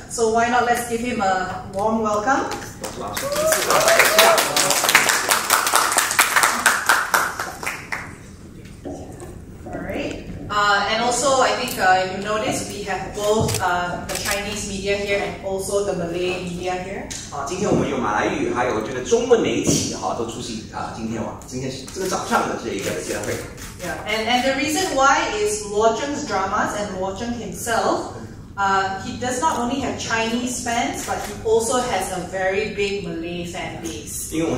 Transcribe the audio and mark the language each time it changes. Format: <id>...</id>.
<en>So why not let's give him a warm welcome. And also, I think you notice we have both the Chinese media here and also the Malay media here.</en> <zh>今天我们有马来语，还有这个中文媒体哈，都出席啊。今天这个早上的这一个见面会。</zh> <en>Yeah, and the reason why is Logjam's dramas and Logjam himself, he does not only have Chinese fans, but he also has a very big Malay fan base.</en>